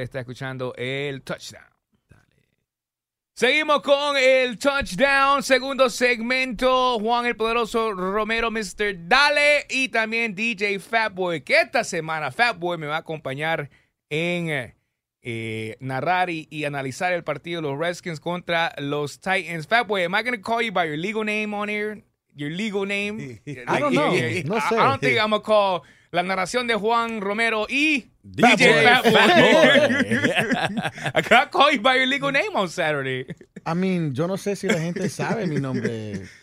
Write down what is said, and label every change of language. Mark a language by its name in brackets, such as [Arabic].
[Spanish] Está escuchando el Touchdown. Seguimos con el Touchdown, segundo segmento, Juan el Poderoso Romero, Mr. Dale, y también DJ Fatboy, que esta semana Fatboy me va a acompañar en narrar y analizar el partido de los Redskins contra los Titans. [English] Fatboy, am I going to call you by your legal name on here? Your legal name? I don't know. [Spanish] No sé. [English] I don't think I'm going to call [Spanish] la narración de [English] Juan Romero y DJ Fatboy. I call you by your legal name on Saturday. I mean, [Spanish] yo no sé si la gente sabe mi nombre.